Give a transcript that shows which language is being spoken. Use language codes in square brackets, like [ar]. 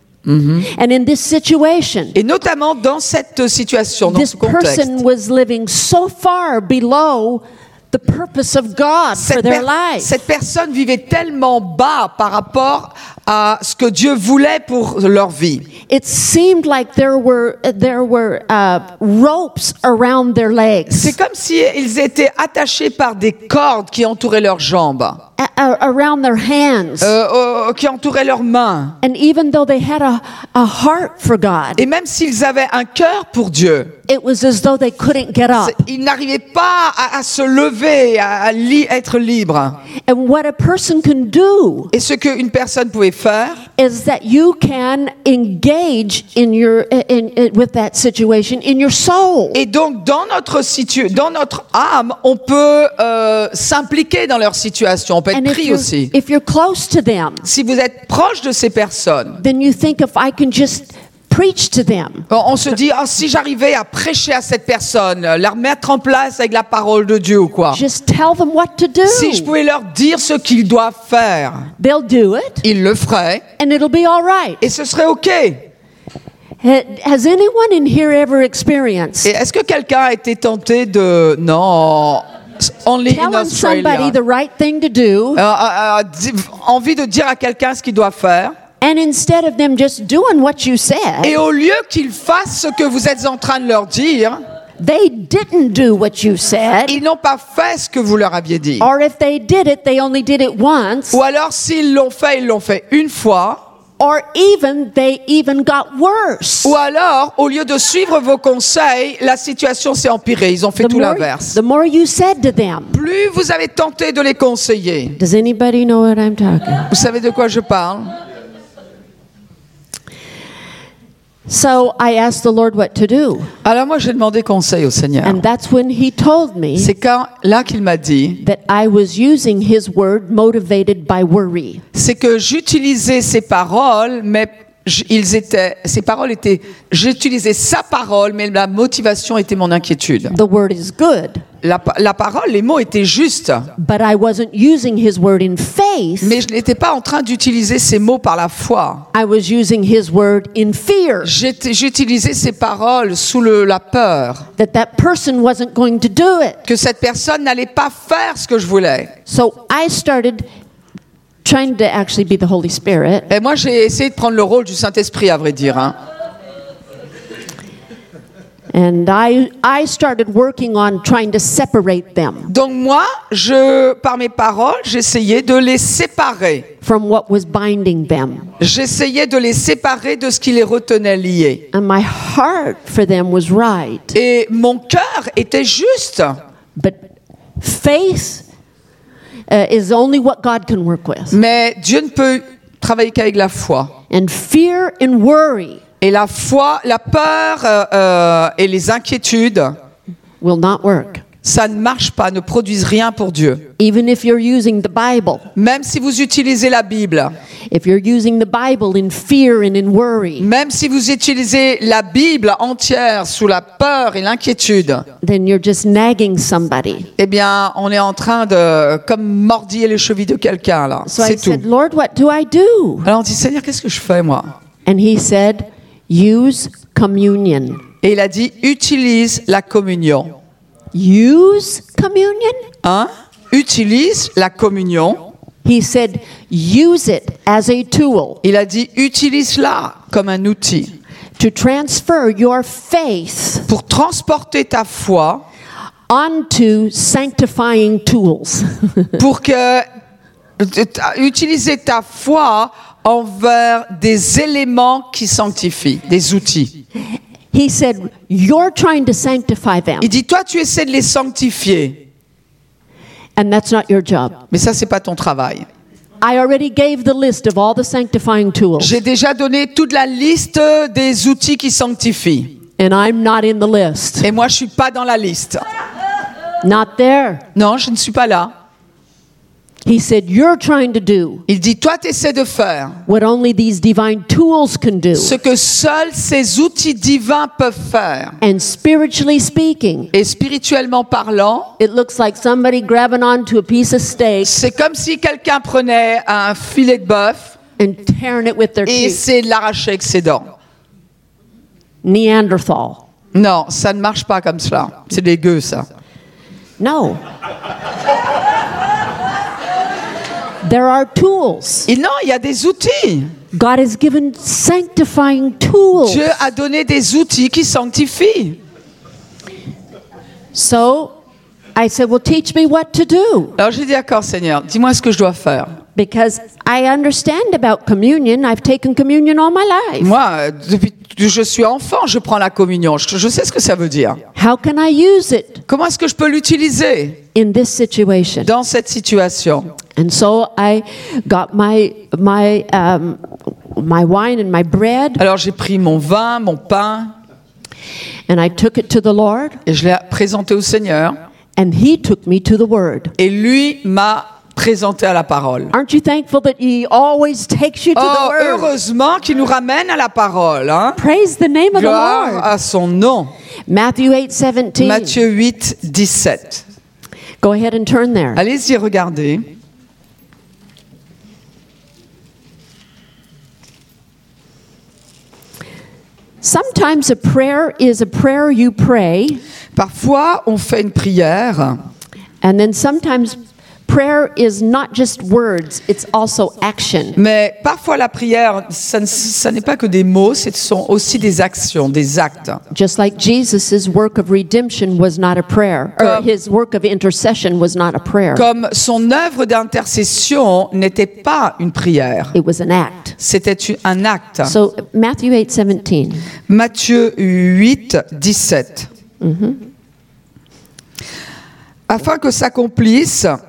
[en] Mm-hmm. And in this situation. [fr] Et notamment dans cette situation, dans ce contexte. [en] This person was living so far below. The purpose of God for their life. [fr] Cette personne vivait tellement bas par rapport à ce que Dieu voulait pour leur vie. [en] It seemed like there were ropes around their legs. [fr] C'est comme si ils étaient attachés par des cordes qui entouraient leurs jambes. [en] Around their hands. [fr] Qui entouraient leurs mains. [en] And even though they had a heart for God. [fr] Et même s'ils avaient un cœur pour Dieu. [en] It was as though they couldn't get up. [fr] Ils n'arrivaient pas à se lever, à être libre. [en] And what a person can do. [fr] Et ce qu'une personne pouvait faire. [en] Is that you can engage in with that situation in your soul. [fr] Et donc dans notre âme, on peut s'impliquer dans leur situation. On peut être pris aussi. [en] If you're close to them, [fr] si vous êtes proche de ces personnes, [en] then you think if I can just preach to them. [fr] On se dit, oh, si j'arrivais à prêcher à cette personne, la remettre en place avec la parole de Dieu ou quoi. [en] Just tell them what to do. [fr] Si je pouvais leur dire ce qu'ils doivent faire, [en] they'll do it, [fr] ils le feraient. [en] And it'll be all right. [fr] Et ce serait OK. [en] Has anyone in here ever experienced? [fr] Et est-ce que quelqu'un a été tenté de... [en] Non... Only telling in Australia. Somebody the right thing to do. [fr] Envie de dire à quelqu'un ce qu'il doit faire. [en] And instead of them just doing what you said. [fr] Et au lieu qu'ils fassent ce que vous êtes en train de leur dire. [en] They didn't do what you said. [fr] Ils n'ont pas fait ce que vous leur aviez dit. [en] Or if they did it, they only did it once. [fr] Ou alors s'ils l'ont fait, ils l'ont fait une fois. [en] Or even they even got worse. [fr] Ou alors, au lieu de suivre vos conseils, la situation s'est empirée. Ils ont fait tout l'inverse. [en] The more you said to them. [fr] Plus vous avez tenté de les conseiller. [en] Does anybody know what I'm talking? [fr] Vous savez de quoi je parle? [en] So I asked the Lord what to do. [fr] Alors moi j'ai demandé conseil au Seigneur. [en] And that's when he told me. [fr] C'est quand là qu'il m'a dit. [en] That I was using his word motivated by worry. [fr] C'est que j'utilisais ses paroles mais j'utilisais sa parole mais la motivation était mon inquiétude. [en] The word is good. [fr] La parole, les mots étaient justes. [en] But I wasn't using his word in faith. [fr] Mais je n'étais pas en train d'utiliser ces mots par la foi. [en] I was using his word in fear. [fr] J'utilisais ces paroles sous la peur. [en] That person wasn't going to do it. [fr] Que cette personne n'allait pas faire ce que je voulais. [en] So I started trying to actually be the Holy Spirit. [fr] Et moi, j'ai essayé de prendre le rôle du Saint-Esprit, à vrai dire. Hein. [en] And I started working on trying to separate them. [fr] Donc moi, par mes paroles, j'essayais de les séparer. [en] From what was binding them. [fr] J'essayais de les séparer de ce qui les retenait liés. [en] And my heart for them was right. [fr] Et mon cœur était juste. [en] But faith is only what God can work with. [fr] Mais Dieu ne peut travailler qu'avec la foi. [en] And fear and worry. [fr] Et la foi, la peur et les inquiétudes, [en] will not work. [fr] Ça ne marche pas, ne produisent rien pour Dieu. [en] Even if you're using the Bible, [fr] même si vous utilisez la Bible, [en] if you're using the Bible in fear and in worry, [fr] même si vous utilisez la Bible entière sous la peur et l'inquiétude, [en] then you're just nagging somebody. [fr] Eh bien, on est en train de comme mordiller les chevilles de quelqu'un là. [en] So [fr] c'est [en] I [fr] tout. [en] Said, Lord, what do I do? [fr] Alors on dit, Seigneur, qu'est-ce que je fais moi? [en] And he said, use communion. [fr] Et il a dit, utilise la communion. [en] use communion? [fr] Hein? Utilise la communion. [en] He said, use it as a tool. [fr] Il a dit, utilise-la comme un outil. [en] To transfer your faith. [fr] Pour transporter ta foi. [en] Onto sanctifying tools. [fr] Pour que utiliser ta foi envers des éléments qui sanctifient, des outils. [en] He said, "You're trying to sanctify them." [fr] Il dit, toi, tu essaies de les sanctifier. [en] And that's not your job. [fr] Mais ça, c'est pas ton travail. [en] I already gave the list of all the sanctifying tools. [fr] J'ai déjà donné toute la liste des outils qui sanctifient. [en] And I'm not in the list. [fr] Et moi, je suis pas dans la liste. [en] Not there. [fr] Non, je ne suis pas là. [en] He said, "You're trying to do." [fr] Il dit, toi, t'essaies de faire. [en] What only these divine tools can do. [fr] Ce que seuls ces outils divins peuvent faire. [en] And spiritually speaking. [fr] Et spirituellement parlant. [en] It looks like somebody grabbing onto a piece of steak. [fr] C'est comme si quelqu'un prenait un filet de bœuf. [en] And tearing it with their teeth. [fr] Et essayait de l'arracher avec ses dents. [en] Neanderthal. [fr] Non, ça ne marche pas comme cela. C'est dégueu, ça. [en] No. There are tools. [fr] Et non, il y a des outils. [en] God has given sanctifying tools. [fr] Dieu a donné des outils qui sanctifient. [en] So, I said, "Well, teach me what to do." [fr] Alors j'ai dit, d'accord, Seigneur, dis-moi ce que je dois faire. [en] Because I understand about communion. I've taken communion all my life. [fr] Moi, depuis que je suis enfant, je prends la communion. Je sais ce que ça veut dire. [en] How can I use it? [fr] Comment est-ce que je peux l'utiliser? [en] In this situation. [fr] Dans cette situation. [en] And so I got my wine and my bread. [fr] Alors j'ai pris mon vin, mon pain. [en] And I took it to the Lord. [fr] Et je l'ai présenté au Seigneur. [en] And he took me to the word. [fr] Et lui m'a présenté à la parole. [en] Aren't you thankful that he always takes you to the word? [fr] Oh, heureusement qu'il nous ramène à la parole, hein. [en] Praise the name of the Lord. [fr] À son nom. [en] Matthew 8:17. [fr] Matthieu 8:17. [en] Go ahead and turn there. [fr] Allez-y, regardez. [en] Sometimes a prayer is a prayer you pray. [fr] Parfois, on fait une prière. [en] And then sometimes prayer is not just words, it's also action. [fr] Mais parfois la prière, ça n'est pas que des mots, ce sont aussi des actions, des actes. [en] Just like Jesus' work of redemption was not a prayer, or his work of intercession was not a prayer. [fr] Comme son œuvre d'intercession n'était pas une prière. [en] It was an act. [fr] C'était un acte. [en] So Matthew 8:17. [fr] Matthieu 8:17. Mm-hmm. Afin que s'accomplisse.